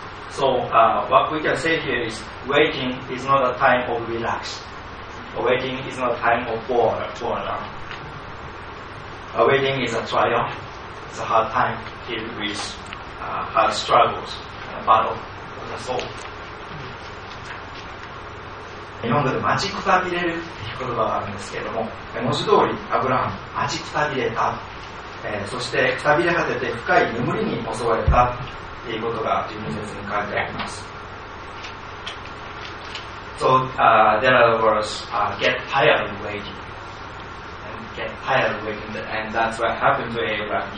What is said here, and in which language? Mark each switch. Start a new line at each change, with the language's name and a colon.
English: So what we can say here is waiting is not a time of relax. Waiting is not a time of boredom. Waiting is a trial. It's a hard time filled with hard struggles and a battle for the soul.
Japanese: 日本語で待ちくたびれるという言葉があるんですけれども、文字通りアブラハム待ちくたびれた、そしてくたびれ果てて深い眠りに襲われたということが12節に書いてあります。
English: So there are words get tired of waiting and get tired of waiting, and that's what happened to Abraham.